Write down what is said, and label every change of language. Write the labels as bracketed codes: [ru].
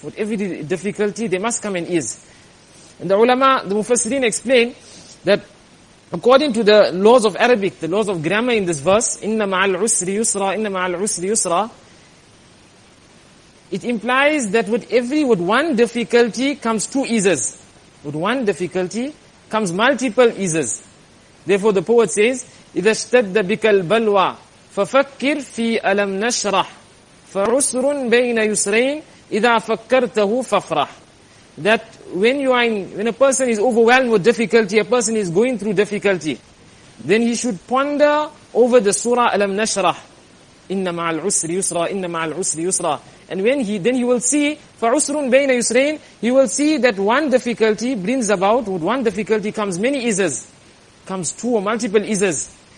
[en] With every difficulty, there must come an ease. And the ulama, the mufassirin, explain that according to the laws of Arabic, the laws of grammar in this verse, [ar] إِنَّ مَعَ الْعُسْرِ يُسْرَى [en] إِنَّ مَعَ الْعُسْرِ يُسْرَى, it implies that with one difficulty comes two eases. With one difficulty comes multiple eases. Therefore the poet says, [ar] إِذَا اشْتَدَّ بِكَ الْبَلْوَى فَفَكِّرْ فِي أَلَمْ نَشْرَحْ فَعُسْرٌ بَيْنَ يُسْرَيْنِ إِذَا فَكَّرْتَهُ فَفْرَحْ. [en] That when a person is overwhelmed with difficulty, a person is going through difficulty, then he should ponder over the surah أَلَمْ نَشْرَحْ. [ar] Inna ma'al usri yusra, [en] inna ma'al usri yusra. And when he, then he will see, [ar] fa'usrun bayna yusrain, [en] he will see that one difficulty brings about, with one difficulty comes many eases, comes two or multiple eases.